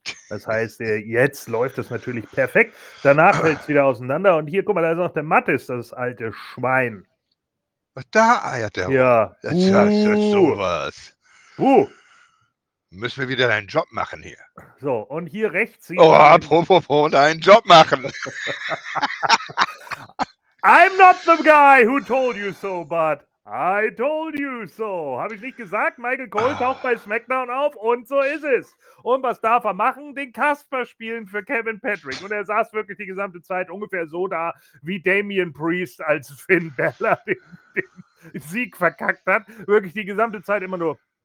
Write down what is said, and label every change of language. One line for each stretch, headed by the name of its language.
German: Das heißt, jetzt läuft es natürlich perfekt. Danach fällt es wieder auseinander. Und hier, guck mal, da ist noch der Mattis, das alte Schwein. Da eiert der. Ja. Das ist sowas. Müssen wir wieder deinen Job machen hier. So, und hier rechts. Oh, apropos deinen Job machen.
English: I'm not the guy who told you so, but I told you so.
German: Habe ich nicht gesagt? Michael Cole taucht bei SmackDown auf und so ist es. Und was darf er machen? Den Kasper spielen für Kevin Patrick. Und er saß wirklich die gesamte Zeit ungefähr so da, wie Damian Priest als Finn Balor den Sieg verkackt hat. Wirklich die gesamte Zeit immer nur.